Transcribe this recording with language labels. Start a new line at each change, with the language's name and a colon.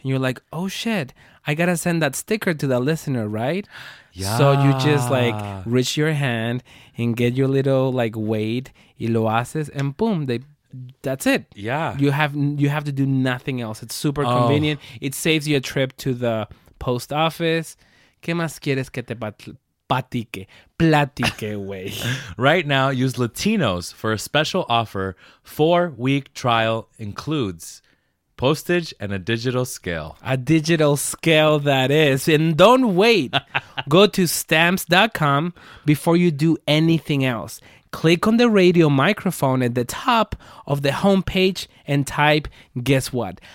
English: And you're like, oh shit, I gotta send that sticker to the listener, right? Yeah. So you just like reach your hand and get your little like weight,
Spanish: y lo haces,
English: and boom, that's it. Yeah. You have to do nothing else. It's super convenient. It saves you a trip to the post office.
Spanish: ¿Qué más quieres que te platique, güey?
English: Right now, use Latinos for a special offer. 4-week trial includes postage and a digital scale. A digital scale, that is. And don't wait. Go to stamps.com before you do anything else. Click on the radio microphone at the top of the homepage and type, guess what?